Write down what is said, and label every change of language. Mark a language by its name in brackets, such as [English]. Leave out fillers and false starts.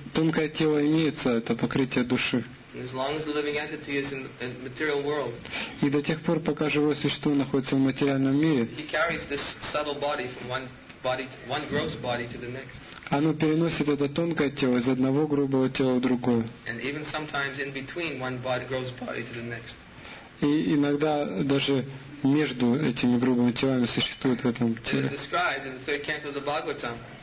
[Russian] Тонкое тело имеется, это покрытие души. [English] As long as the living entity is in the material world, [Russian] и до тех пор, пока живое существо находится в материальном мире, [English] he carries this subtle body from one body, one gross body to the next. [Russian] Оно переносит это тонкое тело из одного грубого тела в другое. [English] And even sometimes in between one body, gross body to the next. [Russian] И иногда даже между этими грубыми телами существует в этом теле. [English] It is described in the third canto of the Bhagavatam.